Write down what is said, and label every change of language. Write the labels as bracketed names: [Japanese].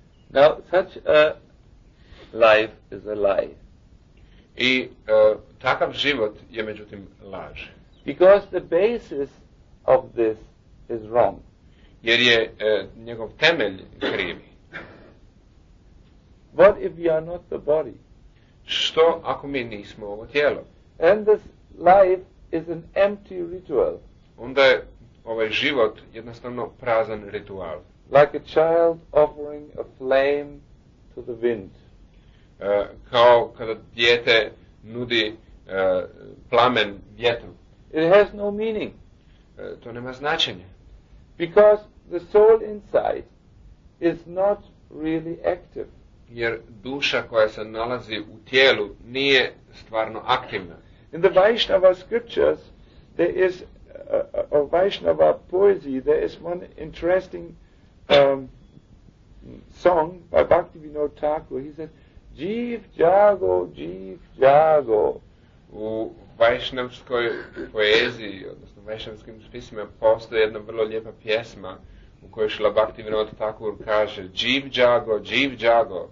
[English] Now, such a life is a lie. [Bosnian] I takav život je međutim laž. [English] Because the basis of this is wrong. [Bosnian] Jer je njegov temelj krivi. [English] What if we are not the body? [Bosnian] Što ako mi nismo ovo tijelo? [English] And this life is an empty ritual. [Bosnian] Onda je ovaj život jednostavno prazan ritual. [English] Like a child offering a flame to the wind. [Bosnian] Kao kada dijete nudi plamen vjetru. [English] It has no meaning. [Bosnian] To nema značenja. [English] Because the soul inside is not really active. [Bosnian] Jer duša koja se nalazi u tijelu nije stvarno aktivna. [English] In the Vaishnava scriptures, there is, or Vaishnava poetry, there is one interesting song by Bhaktivinoda Thakur. He said, [Bangla] "Jeev jago, jeev jago." [Bosnian] U Vaishnavskoj poeziji, odnosno Vaishnavskim pismima, postoji jedna vrlo lijepa pjesma u kojoj Šila Bhaktivinoda Thakur kaže, [Bangla] "Jeev jago, jeev jago."